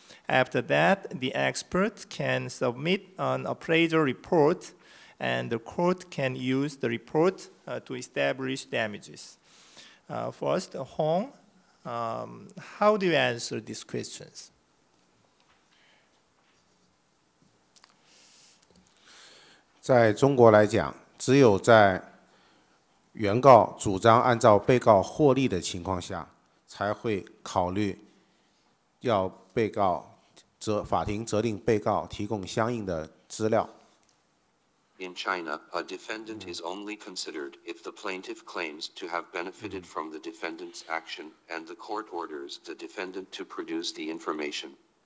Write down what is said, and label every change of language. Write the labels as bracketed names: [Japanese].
[English] After that, the expert can submit an appraisal report and the court can use the report to establish damages. First, Hong, how do you answer these questions? [Chinese] 在中国来讲, 只有在原告主张按照被告获利的情况下, 才会考虑要被告法庭责令被告提供相应的资料。 [English] In China, a defendant is only considered if the plaintiff claims to have benefited from the defendant's action and the court orders the defendant to produce the information.